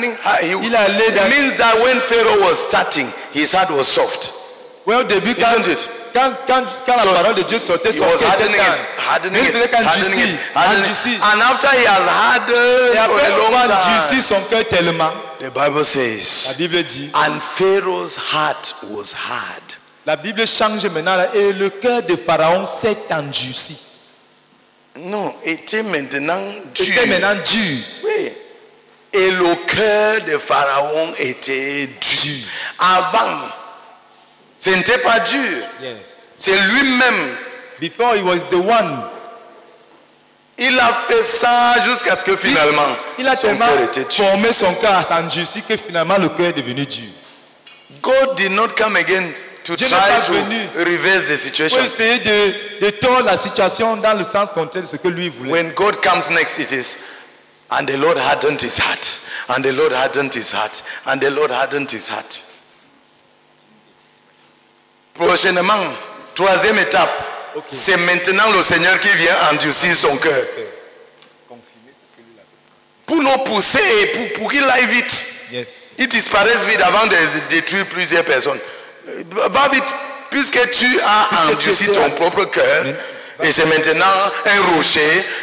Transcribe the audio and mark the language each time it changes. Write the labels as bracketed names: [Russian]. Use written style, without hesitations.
[English] means that when Pharaoh was starting, his heart was soft. Well, David, isn't it? Hardening it. And after he has hardened for a long time, the Bible says, [French] la Bible dit, [English] and Pharaoh's heart was hard. [French] La Bible change maintenant et le cœur de Pharaon s'est endurci. Non, était maintenant dur. Était maintenant dur. Oui. Et le cœur de Pharaon était dur. Avant, ce n'était pas dur. [English] Yes. [French] C'est lui-même. [English] Before he was the one. [French] Il a fait ça jusqu'à ce que finalement son cœur était dur. Il a formé son cœur à s'endurci que finalement le cœur est devenu dur. [English] God did not come again to [French] Dieu [English] try to reverse the situation. [French] Pour essayer de tourner la situation dans le sens contraire de ce que lui voulait. [English] When God comes next, it is, and the Lord hardened his heart, and the Lord hardened his heart, and the Lord hardened his heart. [French] Prochainement, troisième étape, okay. C'est maintenant le Seigneur qui vient endurcir son cœur. Pour nous pousser, pour qu'il aille vite. [English] Yes. [French] Il disparaisse vite avant de détruire plusieurs personnes. Va vite, puisque tu as endurci ton propre cœur et c'est maintenant un rocher.